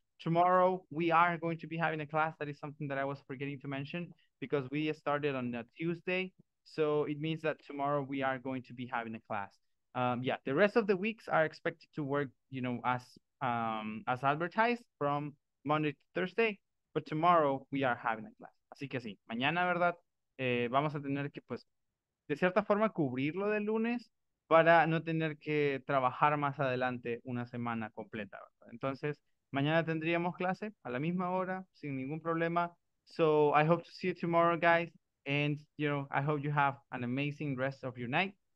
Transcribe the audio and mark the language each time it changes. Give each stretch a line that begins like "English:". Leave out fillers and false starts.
English: Tomorrow, we are going to be having a class. That is something that I was forgetting to mention because we started on a Tuesday. So it means that tomorrow we are going to be having a class. Yeah, the rest of the weeks are expected to work, you know, as advertised from Monday to Thursday. But tomorrow we are having a class.
Spanish: Así que sí, mañana, ¿verdad? Vamos a tener que, pues, de cierta forma cubrirlo del lunes para no tener que trabajar más adelante una semana completa, ¿verdad? Entonces, mañana tendríamos clase a la misma hora, sin ningún problema.
English: So, I hope to see you tomorrow, guys. And, you know, I hope you have an amazing rest of your night.